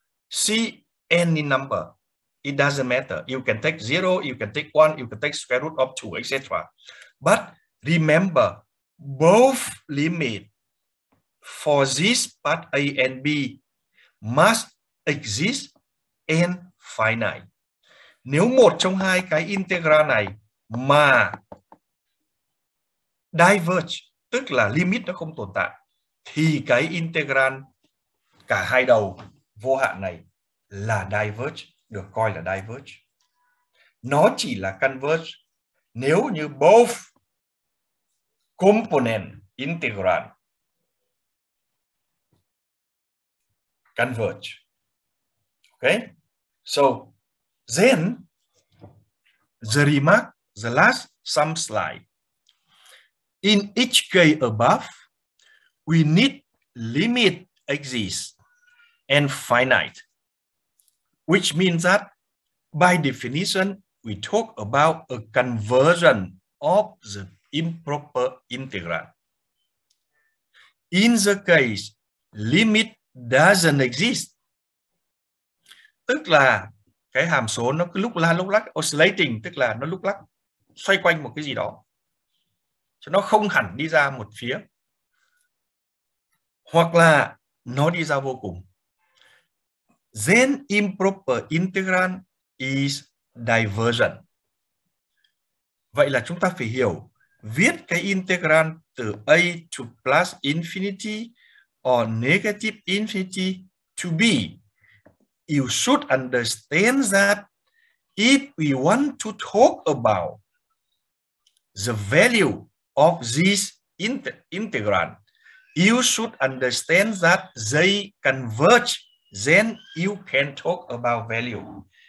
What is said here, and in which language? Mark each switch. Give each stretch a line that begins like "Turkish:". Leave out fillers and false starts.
English: See any number. It doesn't matter. You can take zero, you can take one, you can take square root of two, etc. But remember, both limit for this part A and B must exist and finite.
Vietnamese: Nếu một trong hai cái integrand này mà diverge, tức là limit nó không tồn tại, thì cái integrand cả hai đầu vô hạn này là diverge, được coi là diverge. Nó chỉ là converge nếu như
English: both component integrand converge. Okay? So, then the remark, the last some slide. In each case above, we need limit exists and finite, which means that by definition, we talk about a conversion of the improper integrand. In the case limit doesn't exist,
Vietnamese: tức là cái hàm số nó cứ lúc la lúc lắc, oscillating, tức là nó lúc lắc, xoay quanh một cái gì đó. Cho nó không hẳn đi ra một phía, hoặc là nó đi ra vô cùng.
English: Then improper integrand is divergent.
Vietnamese: Vậy là chúng ta phải hiểu, viết cái integrand từ A
English: to plus infinity or negative infinity to be. You should understand that if we want to talk about the value of this integrand, you should understand that they converge, then you can talk about value.